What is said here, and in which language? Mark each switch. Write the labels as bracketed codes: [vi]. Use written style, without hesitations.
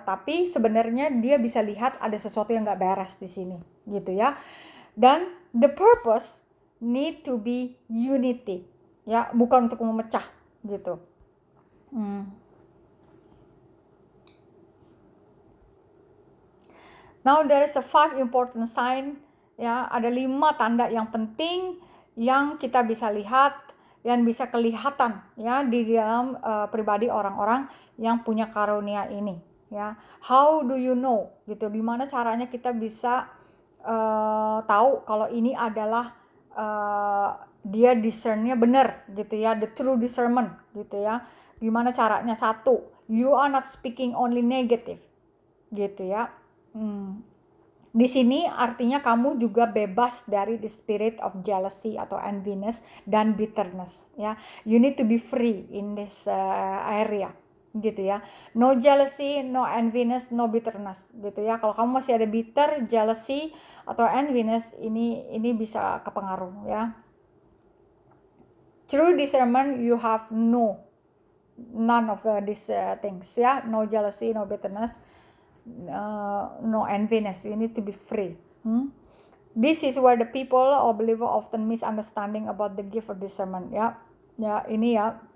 [id] Tapi sebenarnya dia bisa lihat ada sesuatu yang nggak beres di sini, gitu ya. [en] Dan the purpose need to be unity. [id] Ya, bukan untuk memecah gitu. [en] Now there is a 5 important sign [id] ya, ada 5 tanda yang penting yang kita bisa lihat, yang bisa kelihatan ya di dalam pribadi orang-orang yang punya karunia ini ya. [en] How do you know [id] gitu, gimana caranya kita bisa tahu kalau ini adalah dia discernnya benar gitu ya, the true discernment gitu ya. Gimana caranya? [en] Satu, you are not speaking only negative gitu ya. [id] Di sini artinya kamu juga bebas dari the spirit of jealousy atau enviness dan bitterness ya. [en] You need to be free in this area gitu ya. No jealousy, no enviness, no bitterness gitu ya. [id] Kalau kamu masih ada bitter, jealousy atau enviness, ini bisa kepengaruh ya. [en] True discernment, you have none of these things ya, no jealousy, no bitterness, no enviness. You need to be free. This is where the people or believer often misunderstanding about the gift of discernment ya. Ya, ini ya.